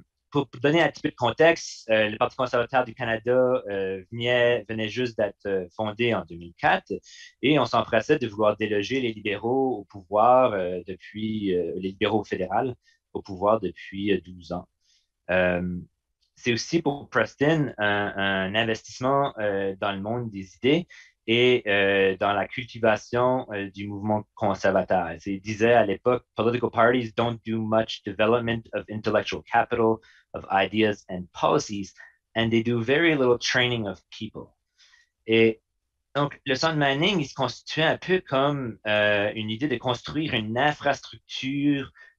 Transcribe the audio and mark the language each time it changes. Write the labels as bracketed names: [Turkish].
[French] Pour donner un petit peu de contexte, le Parti conservateur du Canada venait juste d'être fondé en 2004 et on s'empressait de vouloir déloger les libéraux au pouvoir depuis, les libéraux fédéraux au pouvoir depuis 12 ans. C'est aussi pour Preston un investissement dans le monde des idées et dans la cultivation du mouvement conservateur. Il disait à l'époque, [English] political parties don't do much development of intellectual capital, of ideas and policies, and they do very little training of people. [French] Et donc, le Centre Manning, il se constitue un peu comme une idée de construire une infrastructure